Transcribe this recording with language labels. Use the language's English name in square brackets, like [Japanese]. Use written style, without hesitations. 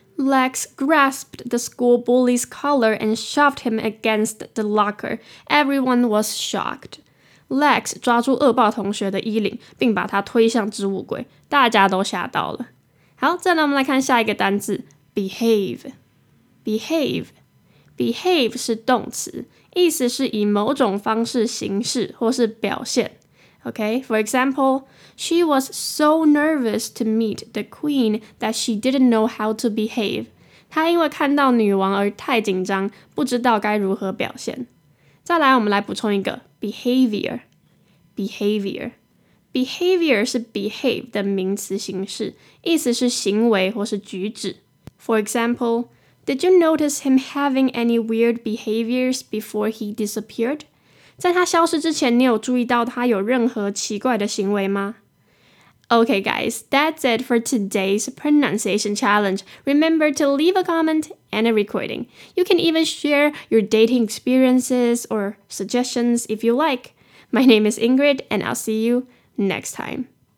[English] Lex grasped the school bully's collar and shoved him against the locker. Everyone was shocked. [Chinese] Lex 抓住恶霸同学的衣领，并把他推向置物柜。大家都吓到了。好，再来我们来看下一个单字 ，behave。 behave 是动词，意思是以某种方式行事或是表现。 [English] Okay, for example, she was so nervous to meet the queen that she didn't know how to behave. [Chinese] 她因为看到女王而太紧张，不知道该如何表现。再来，我们来补充一个 behavior. Behavior. Behavior 是 behave 的名词形式，意思是行为或是举止。 [English] For example, did you notice him having any weird behaviors before he disappeared? [Chinese] 在他消失之前，你有注意到他有任何奇怪的行为吗？ [English] Okay guys, that's it for today's pronunciation challenge. Remember to leave a comment and a recording. You can even share your dating experiences or suggestions if you like. My name is Ingrid, and I'll see you next time.